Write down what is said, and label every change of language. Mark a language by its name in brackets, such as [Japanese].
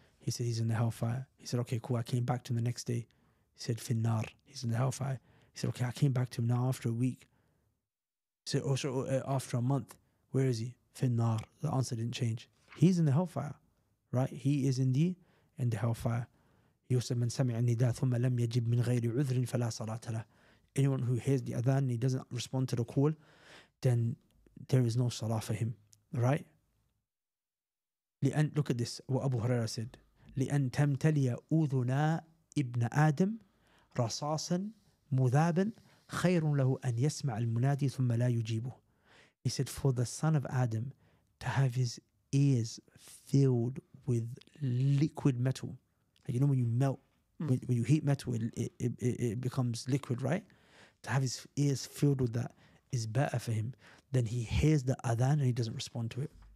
[English] He said, he's in the hellfire. He said, okay, cool, I came back to him the next day. He said, finnar, he's in the hellfire. He said, okay, I came back to him now after a week. He said, oh, so, after a month, where is he? Finnar, the answer didn't change. He's in the hellfire, right? He is in the hellfire. He said, [Arabic] من سمع النداء ثم لم يجب من غير عذر فلا صلاة له. [English] Anyone who hears the adhan and he doesn't respond to the call, then there is no salah for him, right? Look at this, what Abu Huraira said. [Arabic] لأن تمتلي أذنا ابن آدم رصاصا مذابا خير له أن يسمع المنادي ثم لا يجيبه. [English] He said, for the son of Adam to have his ears filled with liquid metal. Like, you know, when you melt, when you heat metal, it becomes liquid, right? To have his ears filled with that is better for him than he hears the adhan and he doesn't respond to it.